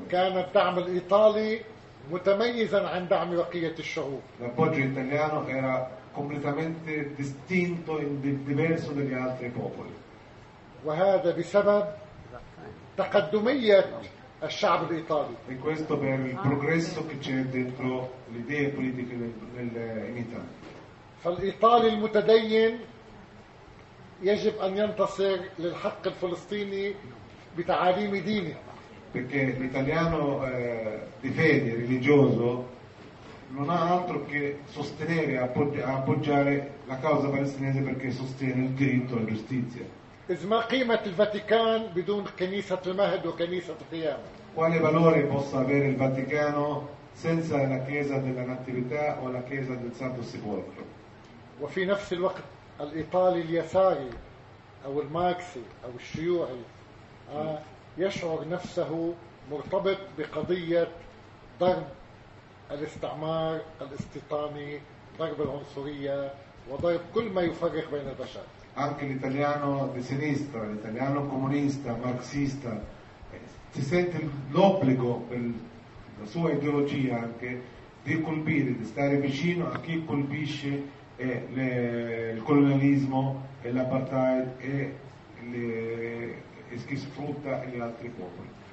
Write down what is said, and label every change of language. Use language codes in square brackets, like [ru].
[ar] كان الدعم الإيطالي متميزا عن دعم بقية الشعوب. [it] L'appoggio italiano era completamente distinto e diverso dagli altri popoli. [ar] وهذا بسبب تقدمية الشعب الإيطالي. [it] E questo per il progresso che c'è dentro le idee politiche in Italia. [ar] فالإيطالي المتدين يجب أن ينتصر للحق الفلسطيني بتعاليم دينه. [it] Perché l'italiano di fede religioso non ha altro che sostenere appoggiare la causa palestinese perché sostiene il diritto alla giustizia. [ar] إذ ما قيمة الفاتيكان بدون كنيسة المهد وكنيسة القيامة؟ [it] Quale valore possa avere il Vaticano senza la chiesa della Natività o la chiesa del Santo Sepolcro. [ar] وفي نفس الوقت الإيطالي اليساري أو الماركسي أو الشيوعي يشعر نفسه مرتبط بقضية ضرب الاستعمار الاستيطاني ضرب العنصرية وضرب كل ما يفرق بين البشر. [it] Anche l'italiano di sinistra, l'italiano comunista, marxista, si sente l'obbligo per la sua ideologia anche di colpire, di stare vicino a chi colpisce il colonialismo e l'apartheid e chi sfrutta gli altri popoli.